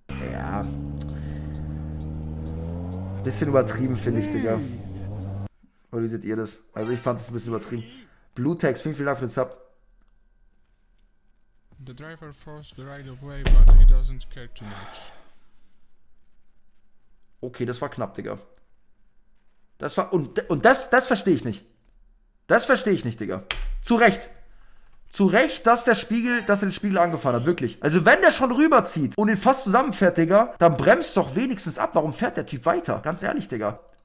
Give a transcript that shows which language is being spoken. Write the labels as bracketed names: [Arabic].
[German] Ja. Bisschen übertrieben, finde ich, Digga. Oder wie seht ihr das? Also ich fand es ein bisschen übertrieben. Blue Tags, vielen, vielen Dank für den Sub. [English] The driver forced the right of way, but he doesn't care too much. [German] Okay, das war knapp, Digga. Das war. Und das verstehe ich nicht. Das verstehe ich nicht, Digga. Zu Recht. Zu Recht, dass er den Spiegel angefahren hat, wirklich. Also wenn der schon rüberzieht und ihn fast zusammenfährt, Digga, dann bremst doch wenigstens ab. Warum fährt der Typ weiter? Ganz ehrlich, Digga.